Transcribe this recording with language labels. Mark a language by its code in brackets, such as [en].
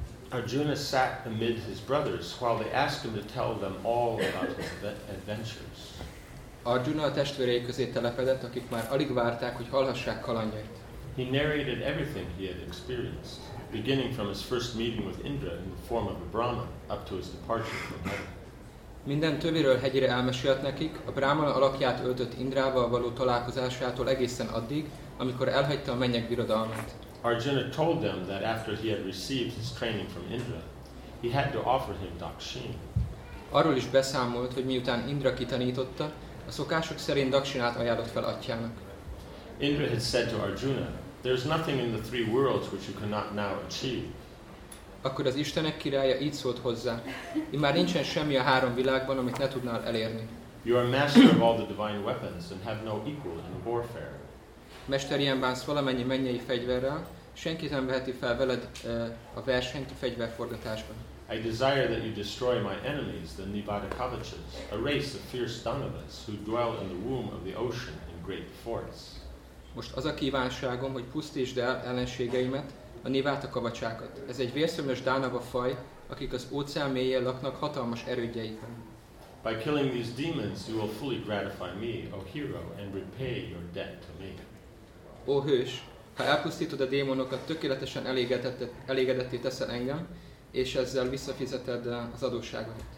[en] Arjuna sat amid his brothers while they asked him to tell them all about his adventures. [hu] Arjuna a testvérei közé telepedett, akik már alig várták, hogy hallhassák kalandjait. [en] He narrated everything he had experienced, beginning from his first meeting with Indra in the form of a Brahmin up to his departure from heaven. [hu] Minden töviről hegyire elmesélt nekik, a Brahman alakját öltött Indrával való találkozásától egészen addig, amikor elhagyta a mennyek birodalmát. [en] Arjuna told them that after he had received his training from Indra, he had to offer him dakshin. [hu] Arról is beszámolt, hogy miután Indra kitanította, a szokások szerint dakshinát ajánlott fel atyának. [en] Indra had said to Arjuna, "There is nothing in the three worlds which you cannot now achieve." [hu] Akkor az Istenek királya így szólt hozzá, immár nincsen semmi a három világban, amit ne tudnál elérni. [en] You are master of all the divine weapons and have no equal in warfare. [hu] Mester, ilyen bánsz valamennyi mennyei fegyverrel, senkit nem veheti fel veled a versenyt a fegyverforgatásban. [en] I desire that you destroy my enemies, the Nibadakavachas, a race of fierce Dhanavas who dwell in the womb of the ocean in great force. [hu] Most az a kívánságom, hogy pusztítsd el ellenségeimet, a Nibadakavachákat. Ez egy vérszomjas Dhanava faj, akik az óceán mélyén laknak hatalmas erődjeikben. [en] By killing these demons, you will fully gratify me, O hero, and repay your debt to me. [hu] Ó hős, ha elpusztítod a démonokat, tökéletesen elégedetté teszel engem, és ezzel visszafizeted az adósságot.